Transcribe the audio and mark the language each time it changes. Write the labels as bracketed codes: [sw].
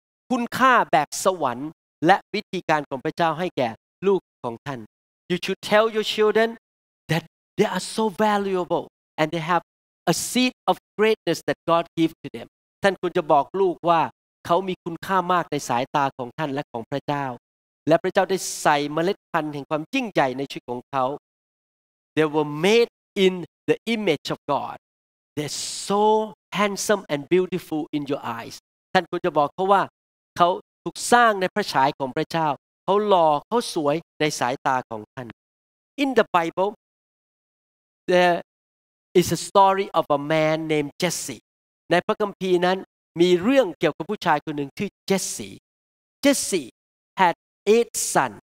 [th] คุณค่าแบบสวรรค์และวิธีการของพระเจ้าให้แก่ลูกของท่าน [en] You should tell your children that they are so valuable and they have a seed of greatness that God gave to them [th] ท่านควรจะบอกลูกว่าเขามีคุณค่ามากในสายตาของท่านและของพระเจ้าและพระเจ้าได้ใส่เมล็ดพันธุ์แห่งความยิ่งใหญ่ในชีวิตของเขา [en] They were made in the image of God. They're so handsome and beautiful in your eyes. [th] ท่านควรจะบอกเขาว่าเขาถูกสร้างในพระฉายของพระเจ้าเขาหล่อเขาสวยในสายตาของท่าน [en] In the Bible, there is a story of a man named Jesse. [th] ในพระคัมภีร์นั้นมีเรื่องเกี่ยวกับผู้ชายคนหนึ่งชื่อเจสซี่ [en] Jesse had 8 sons.